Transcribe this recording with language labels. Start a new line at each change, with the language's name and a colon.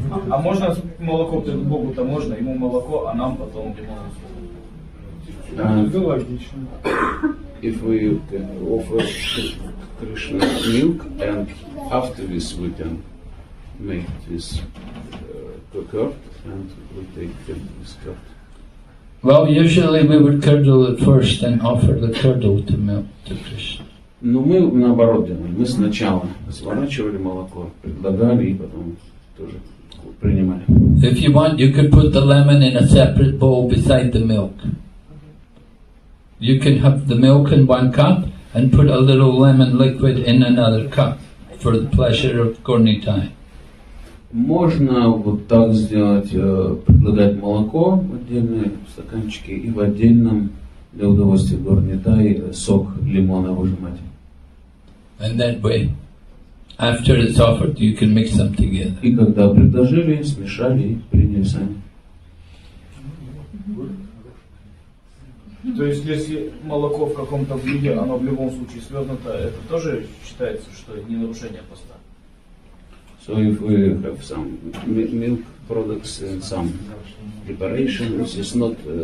Russian: А можно молоко Богу-то можно, ему молоко, а нам потом лимон.
English: If we can offer Krishna milk and after this we can make this curd and we take this curd. Well, usually we would curdle it first and offer the curdle to milk to Krishna.
Russian: Но мы наоборот делали. Мы сначала сворачивали молоко, предлагали и потом тоже принимали.
English: If you want, you could put the lemon in a separate bowl beside the milk. You can have the milk in one cup and put a little lemon liquid in another cup for the pleasure of Gornitai.
Russian: Можно вот так сделать, предлагать молоко в отдельные стаканчики и в отдельном для удовольствия Гурнитай сок лимона выжимать.
English: And that way, after it's offered, you can mix them together.
Russian: И когда предложили, смешали и приняли сами. То есть, если молоко в каком-то блюде, оно в любом случае свернуто, это тоже считается, что не нарушение поста?
English: So if we have some milk products and some preparation, this is not...